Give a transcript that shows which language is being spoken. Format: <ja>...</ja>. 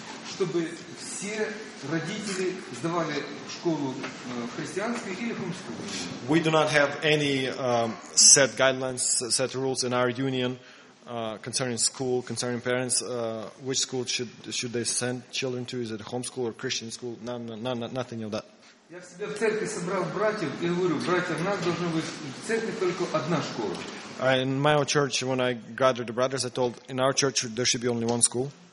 <ru>Чтобы все родители сдавали школу христианскую или homeschool.</ru> <en>We do not have any set guidelines, set rules in our union concerning school, concerning parents, which school should they send children to? Is it a homeschool or Christian school? No, nothing of that.</en> <ru>Я в себя в церкви собрал братьев и говорю, братья, у нас должна быть в церкви только одна школа.</ru> <en>In my own church, when I gathered the brothers, I told, in our church, there should be only one school.</en>